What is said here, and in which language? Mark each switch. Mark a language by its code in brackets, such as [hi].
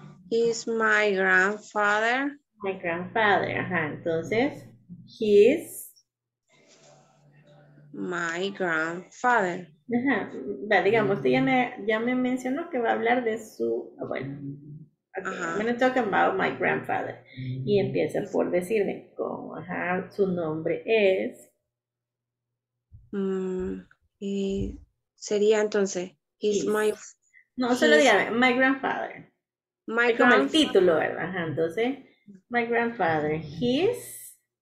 [en] He's my grandfather. My grandfather, [es] ajá. Entonces, [en] he's my grandfather. Ajá. [es] Va, digamos, usted ya me mencionó que va a hablar de su abuelo. [en] Okay, I'm going to talk about my grandfather. [es] Y empieza por decirme cómo, ajá, su nombre es. Y sería entonces, [en] he's my. [es] No, solo dígame, [en] my grandfather. My [es] como el título, ¿verdad? Ajá, entonces, [en] my grandfather, he's.